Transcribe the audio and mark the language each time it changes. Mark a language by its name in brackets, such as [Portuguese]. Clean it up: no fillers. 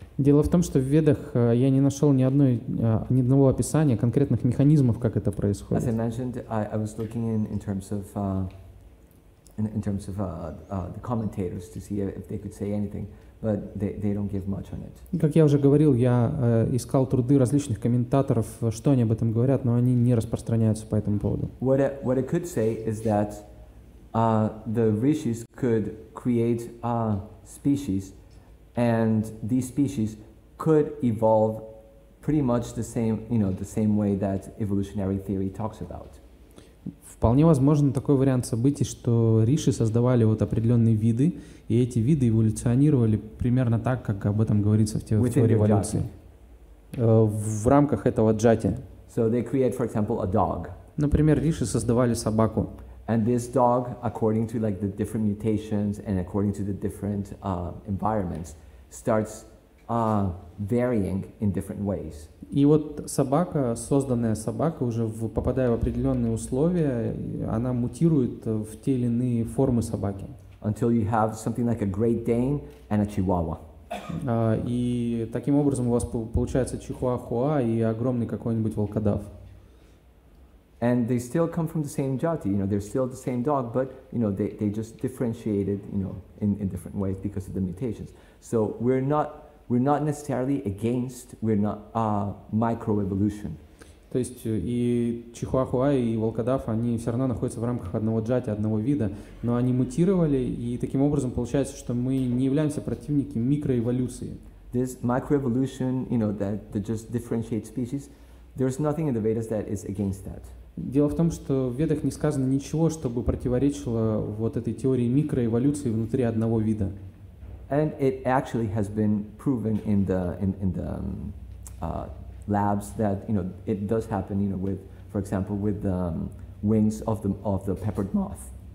[Russian] Дело в том, что в Ведах я не нашел ни одного описания конкретных механизмов, как это происходит. [English] As I mentioned, I was looking in terms of the commentators to see if they could say anything, but they don't give much on it. [Russian] Как я уже говорил, я искал труды различных комментаторов, что они об этом говорят, но они не распространяются по этому поводу. [English] What I could say is that the rishis could create species. And these species could evolve pretty much the same, you know, the same way that evolutionary theory talks about. [Russian] Вполне возможен такой вариант событий, что риши создавали вот определенные виды, и эти виды эволюционировали примерно так, как об этом говорится в теории эволюции. В рамках этого джати. [English] So they create, for example, a dog. [Russian] Например, риши создавали собаку. [English] And this dog, according to like the different mutations and according to the different environments, starts varying in different ways. [Russian] И вот собака, созданная собака, уже попадая в определенные условия, она мутирует в те или иные формы собаки. [English] Until you have something like a Great Dane and a Chihuahua. [Russian] И таким образом у вас получается чихуахуа и огромный какой-нибудь волкодав. [English] And they still come from the same jati, you know, they're still the same dog, but, you know, they just differentiated, you know, in different ways because of the mutations. So we're not we're not necessarily against, we're not microevolution. [Russian] То есть и чихуахуа, и волкодав, они все равно находятся в рамках одного джати, одного вида, но они мутировали, и таким образом получается, что мы не являемся противниками микроэволюции. [English] This microevolution, you know, that just differentiates species, there's nothing in the Vedas that is against that. [Russian] Дело в том, что в Ведах не сказано ничего, чтобы противоречило вот этой теории микроэволюции внутри одного вида. [English] And it actually has been proven in the labs that, you know, it does happen, you know, with, for example, with the wings of the peppered moth.